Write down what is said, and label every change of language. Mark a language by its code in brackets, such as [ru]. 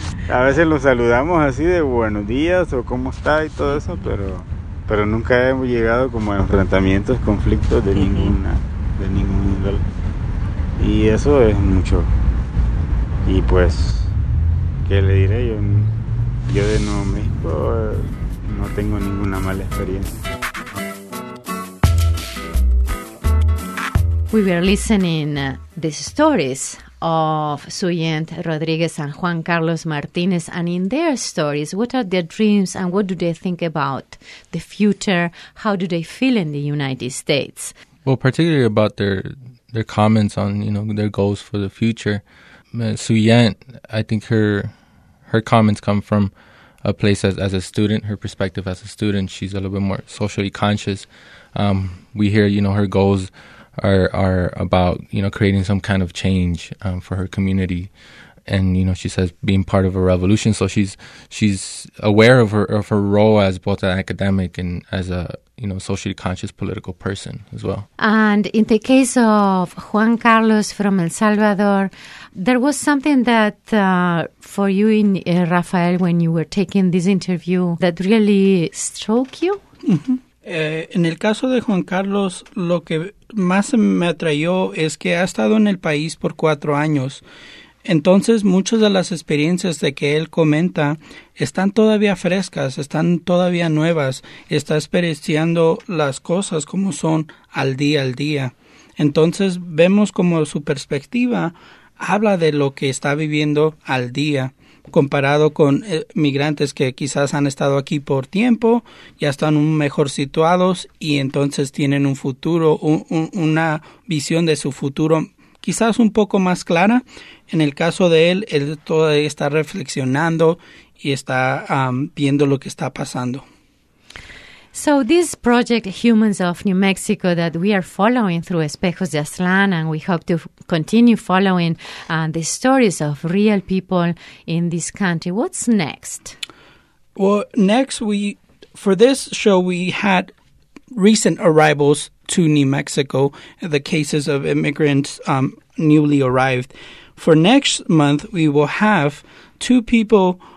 [es] A veces los saludamos así de buenos días o cómo está y todo eso, pero nunca hemos llegado como a enfrentamientos, conflictos de ningún nivel. Y eso es mucho. Y pues, ¿qué le diré? Yo de Nuevo México no tengo ninguna mala experiencia. [en] We were listening the stories of Suyent Rodriguez and Juan Carlos Martinez, and in their stories, what are their dreams and what do they think about the future? How do they feel in the United States? Well, particularly about their comments on, you know, their goals for the future. Suyent, I think her comments come from a place as a student, her perspective as a student. She's a little bit more socially conscious. We hear, you know, her goals are about, you know, creating some kind of change for her community. And, you know, she says being part of a revolution. So she's aware of her role as both an academic and as a, you know, socially conscious political person as well. And in the case of Juan Carlos from El Salvador, there was something that for you in Rafael, when you were taking this interview, that really struck you? [es] En el caso de Juan Carlos, lo que más me atrayó es que ha estado en el país por 4 años. Entonces, muchas de las experiencias de que él comenta están todavía frescas, están todavía nuevas. Está experienciando las cosas como son al día al día. Entonces, vemos como su perspectiva habla de lo que está viviendo al día, comparado con migrantes que quizás han estado aquí por tiempo, ya están mejor situados y entonces tienen un futuro, una visión de su futuro quizás un poco más clara. En el caso de él, él todavía está reflexionando y está viendo lo que está pasando. [en] So this project, Humans of New Mexico, that we are following through Espejos de Aztlán, and we hope to continue following the stories of real people in this country. What's next? Well, next, for this show, we had recent arrivals to New Mexico, the cases of immigrants newly arrived. For next month, we will have two people